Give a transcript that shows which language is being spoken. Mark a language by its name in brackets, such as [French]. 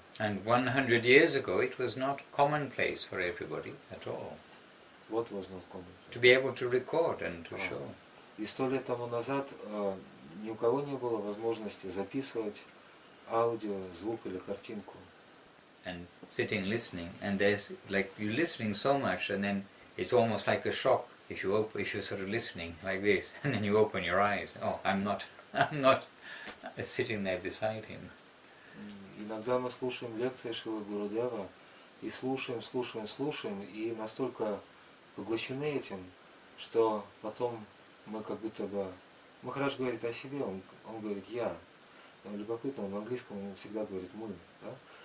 [English] And 100 years ago it was not commonplace for everybody at all. What was not commonplace? To be able to record and to show. [Russian] И 100 лет тому назад ни у кого не было возможности записывать аудио, звук или картинку. [English] And sitting listening, and there's like you listening so much, and then it's almost like a shock if you're sort of listening like this, and then you open your eyes. Oh, I'm not sitting there beside him. [Russian] Иногда мы слушаем лекции Шрилы Гурудева и слушаем, и настолько поглощены этим, что потом мы как будто бы. Махарадж говорит о себе, он говорит я. Любопытно, он в английском он всегда говорит мы, да?